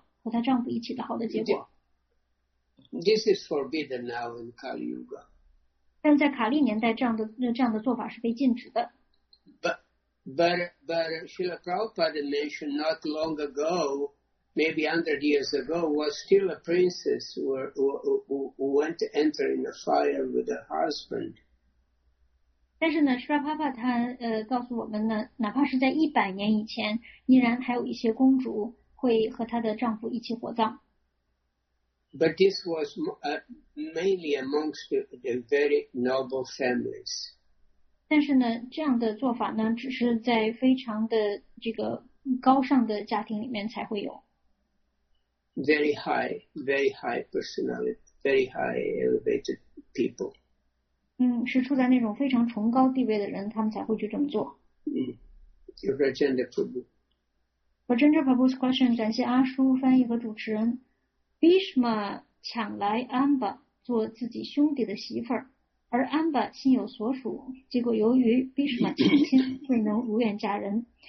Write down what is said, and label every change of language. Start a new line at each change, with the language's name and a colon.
Chinese: 而且由于呢，她对她的丈夫的这种强烈的依附之情，就使她有这种强烈的信念，她和她的丈夫一起被火葬，然后最终呢，会使得她和她的丈夫会有同样的下一个来生，所以说呢，她就有这种强烈的愿望，使她知道她之后是会有好的结果的，和她丈夫一起的好的结果。
English: This is forbidden now in Kali Yuga.
Chinese: 但在卡利年代，这样的做法是被禁止的。
English: But Srila Prabhupada mentioned not long ago, maybe 100 years ago, was still a princess who went to enter in a fire with her husband.
Chinese: 但是呢，Srila Prabhupada告诉我们呢，哪怕是在100年以前，依然还有一些公主会和她的丈夫一起火葬。
English: But this was mainly amongst the very noble families.
Chinese: 但是呢，这样的做法呢，只是在非常的这个高尚的家庭里面才会有。
English: very high, very high personality, very high elevated people.
Chinese: 是处在那种非常崇高地位的人，他们才会去这么做。
English: Rajendra Prabhu. Rajendra Prabhu's question,
Chinese: 感谢阿叔翻译和主持人。Bhishma 抢来 Amba 做自己兄弟的媳妇儿，而 Amba 心有所属，结果由于 Bhishma 抢亲未能如愿嫁人。